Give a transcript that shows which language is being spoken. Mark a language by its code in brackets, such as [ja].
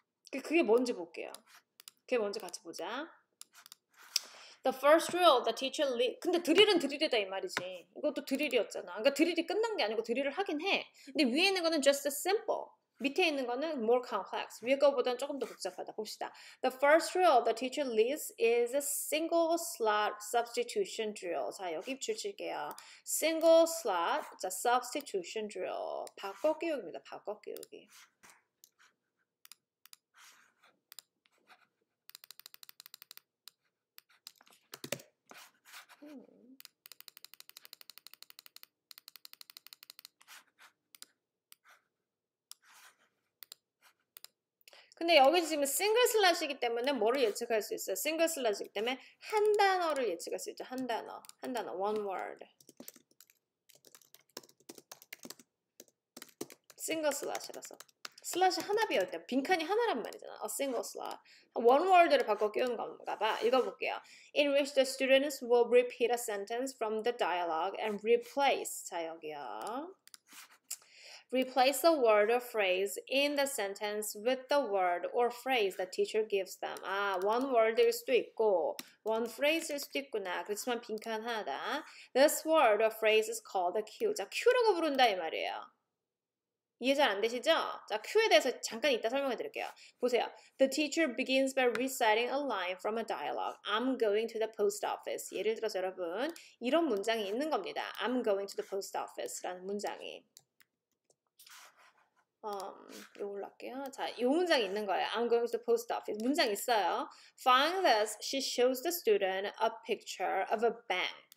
[ko] 그게 뭔지 볼게요. 그게 뭔지 같이 보자. [en] The first drill the teacher lead [ko] 근데 드릴은 드릴이다 이 말이지. 이것도 드릴이었잖아. 그러니까 드릴이 끝난 게 아니고 드릴을 하긴 해. 근데 위에 있는 거는 [en] just a simple. [ko] 밑에 있는 거는 [en] more complex. [ko] 위에 거보다는 조금 더 복잡하다. 봅시다. [en] The first drill the teacher leads is a single slot substitution drill. [ko] 자, 여기 줄 칠게요. [en] Single slot the substitution drill. [ko] 바꿔 끼우기입니다. 바꿔 끼우기. 근데 여기 지금 싱글 슬랫이기 때문에 뭐를 예측할 수 있어요? 싱글 슬랫이기 때문에 한 단어를 예측할 수 있죠. 한 단어. 한 단어. [en] One word. [ko] 싱글 슬랫이라서. 슬랫이 하나 비었대요. 빈칸이 하나란 말이잖아. [en] A single slot. One word [ko] 를 바꿔 끼운 건가 봐. 읽어볼게요. [en] In which the students will repeat a sentence from the dialogue and replace. [ko] 자, 여기요. [en] Replace a word or phrase in the sentence with the word or phrase the teacher gives them. [ko] 아, [en] one word [ko] 일 수도 있고, [en] one phrase [ko] 일 수도 있구나. 그렇지만 빈칸하다. [en] This word or phrase is called a cue. [ko] 자, cue라고 부른다 이 말이에요. 이해 잘 안 되시죠? 자, cue에 대해서 잠깐 이따 설명해 드릴게요. 보세요. [en] The teacher begins by reciting a line from a dialogue. I'm going to the post office. [ko] 예를 들어서 여러분, 이런 문장이 있는 겁니다. [en] I'm going to the post office [ko] 라는 문장이. 이걸로 할게요. 자, 이 문장이 있는 거예요. [en] I'm going to the post office. [ko] 문장 있어요. [en] Following this, she shows the student a picture of a bank.